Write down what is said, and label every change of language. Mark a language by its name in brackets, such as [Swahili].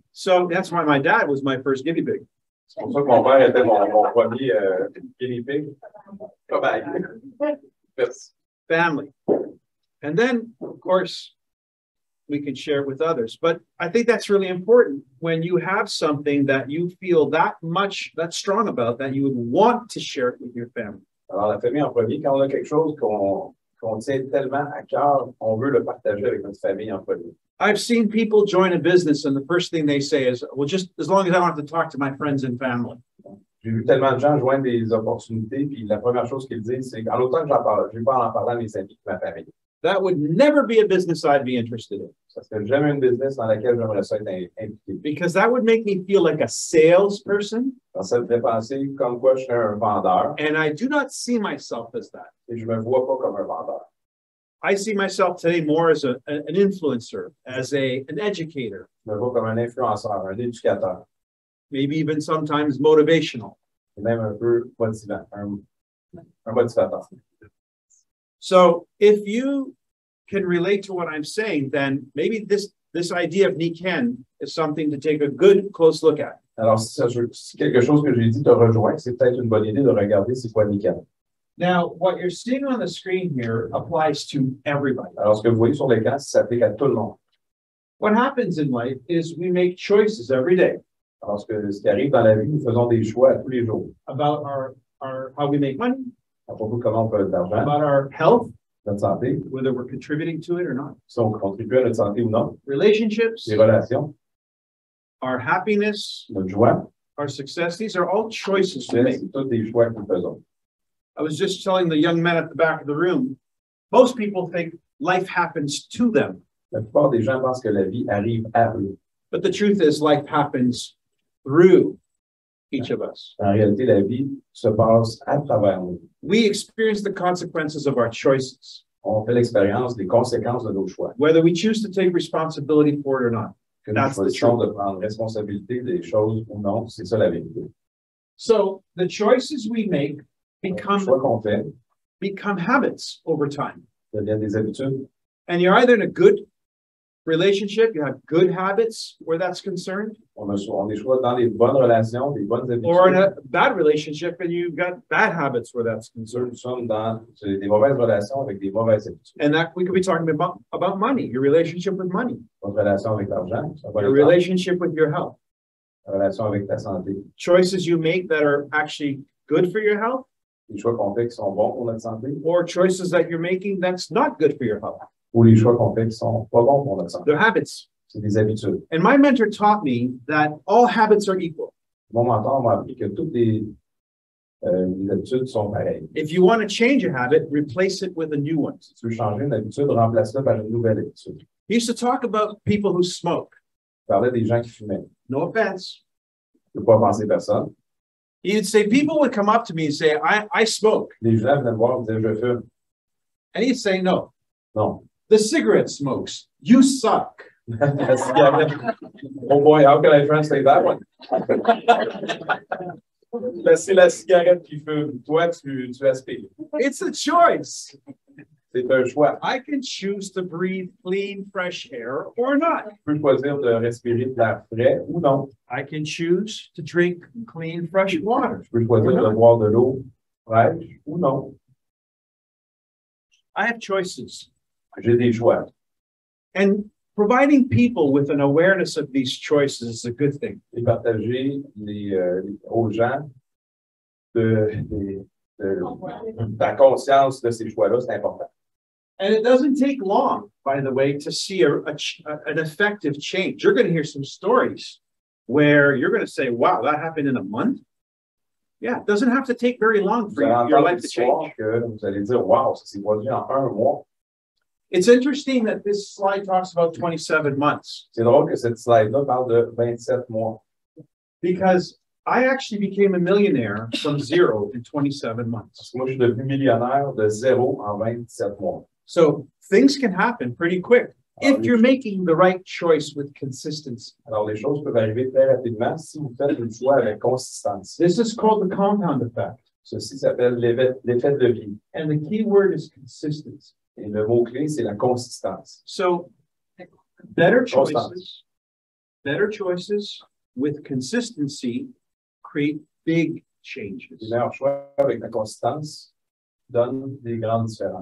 [English] So that's why my dad was my first guinea pig. [French] C'est pour ça que mon père était mon premier guinea pig. [English] Bye-bye. Family. And then, of course, we can share it with others. But I think that's really important when you have something that you feel that much, that strong about, that you would want to share it with your family. [French] Alors, la famille en premier, quand on a quelque chose qu'on tient tellement à cœur, on veut le partager avec notre famille en premier. [English] I've seen people join a business and the first thing they say is, well, just as long as I don't have to talk to my friends and family. [French] J'ai vu tellement de gens joindre des opportunités, puis la première chose qu'ils disent, c'est, en autant que j'en parle, je vais pas en parler à mes amis et ma famille. [English] That would never be a business I'd be interested in. [French] Ça serait jamais une business dans laquelle j'aimerais ça être impliqué. [English] Because that would make me feel like a salesperson. [French] Ça me fait penser comme quoi je serais un vendeur. [English] And I do not see myself as that. [French] Et je me vois pas comme un vendeur. [English] I see myself today more as an influencer, as an educator. [French] Je me vois comme un influenceur, un éducateur. [English] Maybe even sometimes motivational. [French] Et même un peu un motivateur. [English] So, if you can relate to what I'm saying, then maybe this idea of Niken is something to take a good, close look at. [French] Alors, si quelque chose que j'ai dit te rejoint, c'est peut-être une bonne idée de regarder c'est quoi Niken. [English] Now, what you're seeing on the screen here applies to everybody. [French] Alors, ce que vous voyez sur l'écran, ça s'applique à tout le monde. [English] What happens in life is we make choices every day. [French] Alors, ce qui arrive dans la vie, nous faisons des choix tous les jours. [English] About our how we make money. [French] À propos de comment on fait de l'argent. [English] About our health. [French] Notre santé. [English] Whether we're contributing to it or not. [French] Si on contribue à notre santé ou non. [English] Relationships. [French] Les relations. [English] Our happiness. [French] Notre joie. [English] Our success. These are all choices we make. [French] C'est tous des choix que nous faisons. [English] I was just telling the young man at the back of the room, most people think life happens to them. [French] La plupart des gens pensent que la vie arrive à eux. [English] But the truth is, life happens through each of us. [French] En réalité, la vie se passe à travers nous. [English] We experience the consequences of our choices. [French] On fait l'expérience des conséquences de nos choix. [English] Whether we choose to take responsibility for it or not. [French] Que nous choisissons de prendre responsabilité des choses ou non, c'est ça la vérité. [English] So, the choices we make become habits over time. [French] Devient des habitudes. [English] And you're either in a good relationship, you have good habits where that's concerned. [French] On est soit dans les bonnes relations, des bonnes habitudes. [English] Or in a bad relationship and you've got bad habits where that's concerned. [French] Nous sommes dans des mauvaises relations avec des mauvaises habitudes. [English] And that we could be talking about money, your relationship with money. [French] Votre relation avec l'argent. [English] Your relationship with your health. [French] La relation avec ta santé. [English] Choices you make that are actually good for your health. [French] Les choix qu'on fait qui sont bons pour notre santé. [English] Or choices that you're making that's not good for your health. [French] Ou les choix qu'on fait qui sont pas bons pour notre santé. [English] They're habits. [French] C'est des habitudes. [English] And my mentor taught me that all habits are equal. [French] Mon mentor m'a appris que toutes les habitudes sont pareilles. [English] If you want to change a habit, replace it with a new one. [French] Si tu veux changer une habitude, remplace-la par une nouvelle habitude. [English] He used to talk about people who smoke. [French] Il parlait des gens qui fumaient. [English] No offense. [French] Je ne peux pas penser personne. [English] He'd say, people would come up to me and say, I smoke. [French] Les gens venaient voir, disaient, je fume. [English] And he'd say, no. [French] Non. [English] The cigarette smokes. You suck. Oh boy, how can I translate that one? [French] C'est la cigarette qui fume. Toi, tu aspires. [English] It's a choice. [French] C'est un choix. [English] I can choose to breathe clean, fresh air or not. [French] Je peux choisir de respirer de l'air frais ou non. [English] I can choose to drink clean, fresh water. [French] Je peux choisir de boire de l'eau fraîche ou non. [English] I have choices. [French] J'ai des choix. [English] And providing people with an awareness of these choices is a good thing. [French] Et partager aux gens de la conscience de ces choix-là, c'est important. [English] And it doesn't take long, by the way, to see an effective change. You're going to hear some stories where you're going to say, wow, that happened in a month? Yeah, it doesn't have to take very long for your life to change. [French] Vous allez dire, wow, ça s'est produit en un mois. [English] It's interesting that this slide talks about 27 months. [French] C'est drôle que cette slide-là parle de 27 mois. [English] Because I actually became a millionaire from zero in 27 months. [French] Moi, je suis devenu millionnaire de zéro en 27 mois. [English] So things can happen pretty quick if you're making the right choice with consistency. [French] Alors, les choses peuvent arriver très rapidement si vous faites une choix avec consistance. [English] This is called the compound effect. [French] Ceci s'appelle l'effet de levier. [English] And the key word is consistency. [French] Et le mot clé, c'est la consistance. [English] So, better choices with consistency create big changes. [French] Les meilleurs choix avec la consistance donnent des grandes différences.